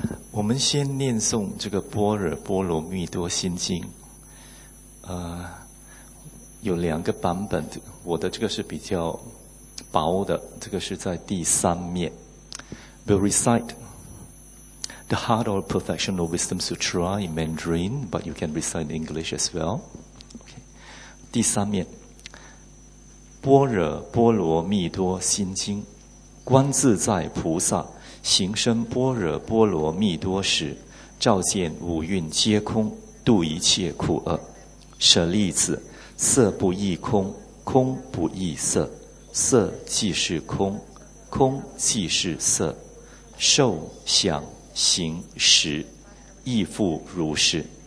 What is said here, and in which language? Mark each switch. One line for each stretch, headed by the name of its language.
Chinese: 我们先念诵这个《般若波罗蜜多心经》，有两个版本，我的这个是比较薄的，这个是在第三面。
English: We recite the heart of perfection of wisdom sutra in Mandarin, but you can recite in English as well. Okay.
Chinese: 第三面，《般若波罗蜜多心经》，观自在菩萨行深般若波罗蜜多时，照见五蕴皆空，度一切苦厄。舍利子，色不异空，空不异色，色即是空，空即是色，受想行识亦复如是。